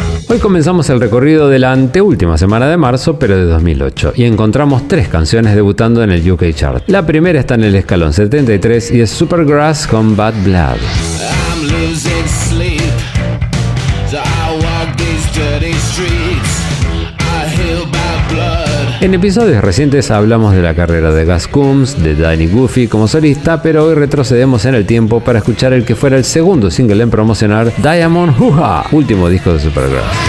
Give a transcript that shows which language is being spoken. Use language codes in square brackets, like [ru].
[es] Hoy comenzamos el recorrido de la anteúltima semana de marzo, pero de 2008, y encontramos tres canciones debutando en el UK chart. La primera está en el escalón 73 y es Supergrass con Bad Blood. [en] I'm losing sleep, so I walk these dirty streets. [es] En episodios recientes hablamos de la carrera de Gus Coombs, de Danny Goofy como solista, pero hoy retrocedemos en el tiempo para escuchar el que fuera el segundo single en promocionar Diamond Hoo-ha, último disco de Supergrass.